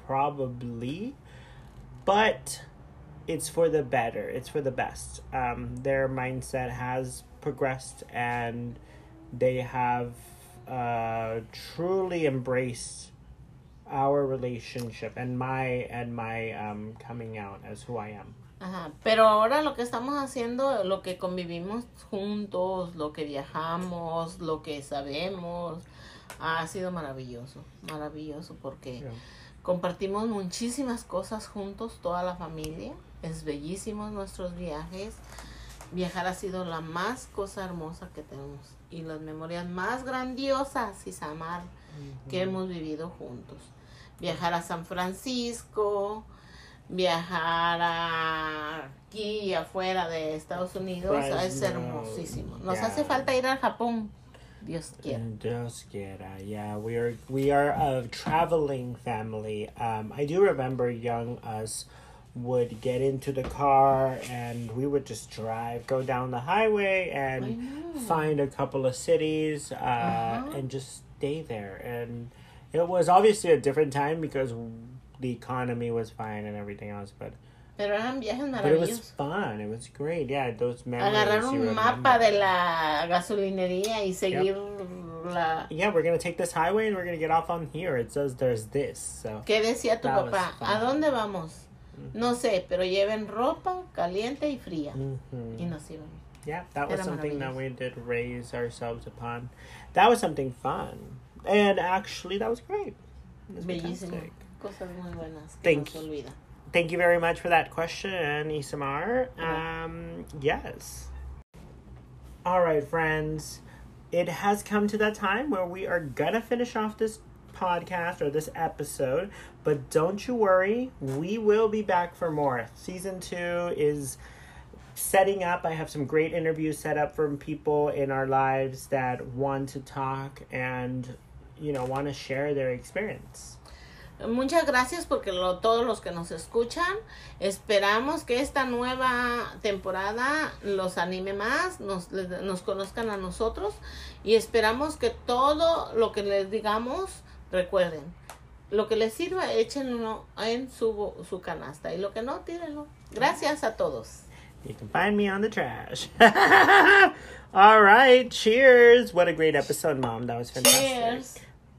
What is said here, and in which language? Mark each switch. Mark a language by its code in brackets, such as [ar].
[en] Probably. But it's for the better. It's for the best. Their mindset has progressed and they have truly embraced our relationship and my coming out as who I am. [es] Ajá, pero ahora lo que estamos haciendo, lo que convivimos juntos, lo que viajamos, lo que sabemos, ha sido maravilloso, maravilloso, porque compartimos muchísimas cosas juntos, toda la familia, es bellísimo nuestros viajes, viajar ha sido la más cosa hermosa que tenemos, y las memorias más grandiosas, Isamar, que hemos vivido juntos, viajar a San Francisco, viajar aquí afuera de Estados Unidos, pues es hermosísimo. No, nos hace falta ir al Japón, Dios quiera. Dios quiera, [en] yeah. We are a traveling family. I do remember young us would get into the car and we would just drive, go down the highway and find a couple of cities and just stay there. And it was obviously a different time because the economy was fine and everything else, but but it was fun. It was great. Yeah, those memories. [es] Agarrar un mapa de la gasolinería y seguir la. [en] Yeah, we're gonna take this highway and we're gonna get off on here. It says there's this. So. [es] ¿Qué decía tu papá? ¿A dónde vamos? No sé, pero lleven ropa caliente y fría. Y nos íbamos. [en] Yeah, that was something that we did raise ourselves upon. That was something fun, and actually, that was great. It was [es] bellísimo. [en] Fantastic. [es] Cosas muy buenas que no se olvida. [en] Thank you very much for that question, Isamar. Yes. All right, friends. It has come to that time where we are gonna finish off this podcast or this episode. But don't you worry. We will be back for more. Season 2 is setting up. I have some great interviews set up from people in our lives that want to talk and, you know, want to share their experience. [es] Muchas gracias porque todos los que nos escuchan, esperamos que esta nueva temporada los anime más, nos conozcan a nosotros y esperamos que todo lo que les digamos, recuerden, lo que les sirva, échenlo en su canasta y lo que no, tírenlo. Gracias a todos. [en] You can find me on the trash. All right, cheers. What a great episode, Mom. That was fantastic. Cheers.